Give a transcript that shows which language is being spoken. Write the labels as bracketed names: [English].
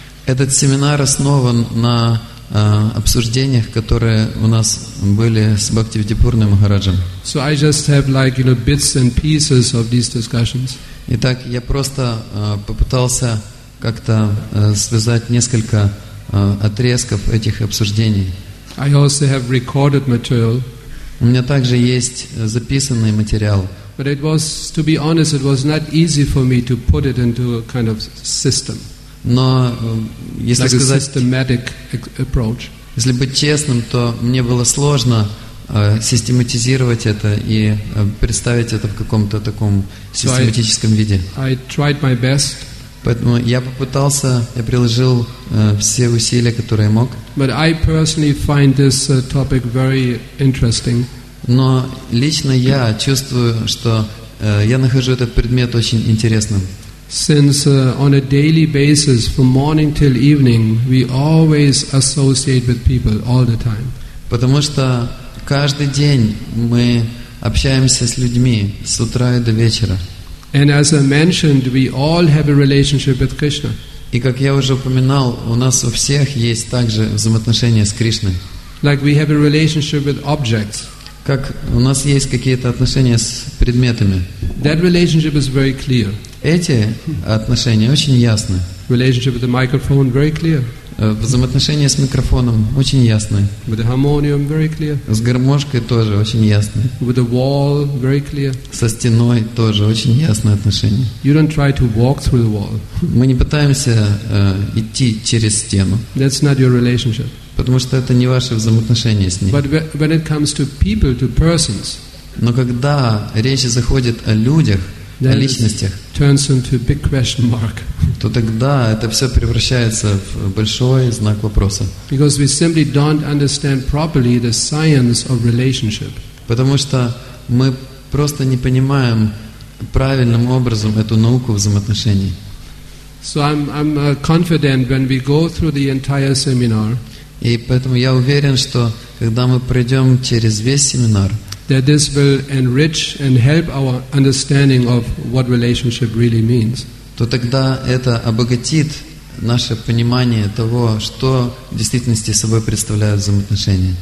[Russian] Этот семинар основан на обсуждениях, которые у нас были с Бхактивиданта Пурной Махараджем. [English] So I just have like, you know, bits and pieces of these discussions. [Russian] Итак, я просто попытался как-то связать несколько отрезков этих обсуждений. [English] I also have recorded material. [Russian] У меня также есть записанный материал. [English] But it was, to be honest, it was not easy for me to put it into a kind of system. [Russian] Но если [English] like [Russian] сказать, [English] a systematic approach. [Russian] Если быть честным, то мне было сложно систематизировать это и представить это в каком-то таком систематическом виде. [English] I tried my best. [Russian] Поэтому я попытался, я приложил все усилия, которые мог. [English] But I personally find this topic very interesting. [Russian] Но лично я чувствую, что я нахожу этот предмет очень интересным. [English] Since on a daily basis, from morning till evening, we always associate with people all the time. [Russian] Потому что каждый день мы общаемся с людьми с утра и до вечера. [English] And as I mentioned, we all have a relationship with Krishna. [Russian] И как я уже упоминал, у нас у всех есть также взаимоотношения с Кришной. [English] Like we have a relationship with objects. [Russian] Как у нас есть какие-то отношения с предметами. [English] That relationship is very clear. [Russian] Эти отношения очень ясны. [English] Relationship with the microphone very clear. [Russian] Взаимоотношения с микрофоном очень ясны. [English] With the harmonium very clear. [Russian] С гармошкой тоже очень ясны. [English] With the wall very clear. [Russian] Со стеной тоже очень ясные отношения. [English] You don't try to walk through the wall. [Russian] Мы не пытаемся идти через стену. [English] That's not your relationship. [Russian] Потому что это не ваши взаимоотношения с ней. [English] But when it comes to people, to persons. [Russian] Но когда речь заходит о людях, о личностях, [English] turns into a big question mark. [Russian] То тогда это все превращается в большой знак вопроса. [English] Because we simply don't understand properly the science of relationship. [Russian] Потому что мы просто не понимаем правильным образом эту науку взаимоотношений. [English] So I'm confident when we go through the entire seminar. [Russian] И поэтому я уверен, что когда мы пройдем через весь семинар, [English] that this will enrich and help our understanding of what relationship really means. [Russian] То тогда это обогатит наше понимание того, что в действительности собой представляют взаимоотношения.